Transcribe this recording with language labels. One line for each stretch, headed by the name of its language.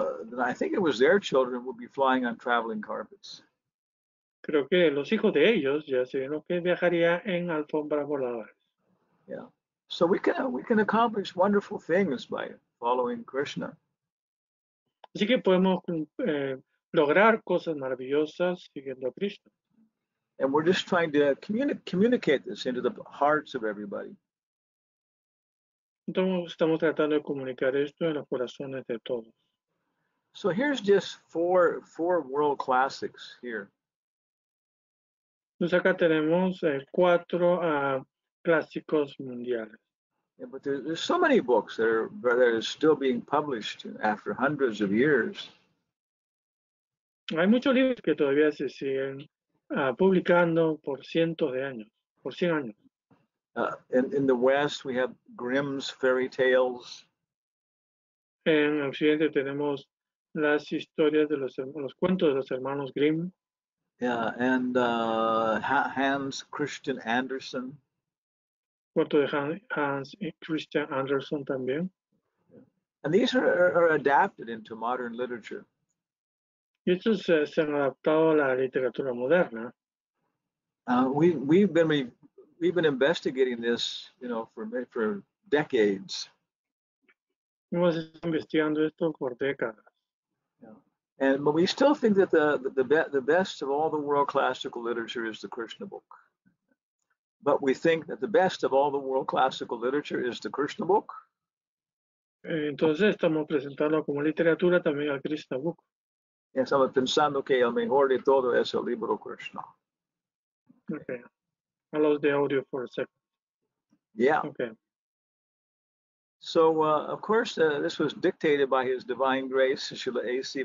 English: Then I think it was their children would be flying on traveling carpets.
Spanish: Creo que los hijos de ellos ya serían los que viajarían en alfombras voladoras.
English: Yeah. So we can accomplish wonderful things by following Krishna.
Spanish: Así que podemos lograr cosas maravillosas siguiendo a Krishna.
English: And we're just trying to communicate this into the hearts of everybody.
Spanish: Entonces estamos tratando de comunicar esto en los corazones de todos.
English: So here's just four world classics here.
Spanish: Entonces acá tenemos cuatro clásicos mundiales.
English: Yeah, but there's so many books that are still being published after hundreds of years.
Spanish: Hay muchos libros que todavía se siguen publicando por cientos de años, por 100 años.
English: In the West, we have Grimm's fairy tales.
Spanish: En Occidente tenemos las historias de los cuentos de los hermanos Grimm.
English: Yeah, and Hans Christian Andersen.
Spanish: Cuento de Hans Christian Andersen también.
English: And these are adapted into modern literature.
Spanish: Y estos se han adaptado a la literatura moderna.
English: We've been investigating this, you know, for decades.
Spanish: Hemos estado investigando esto por décadas.
English: Yeah. And but we still think that the best of all the world classical literature is the Krishna book. But we think that the best of all the world classical literature is the Krishna book.
Spanish: Entonces estamos presentando como literatura también al Krishna book. Y estamos pensando que el mejor de todo es el libro Krishna.
English: Okay. I lost the audio for a second. Yeah. Okay. So, of course, this was dictated by His Divine Grace, Srila A.C.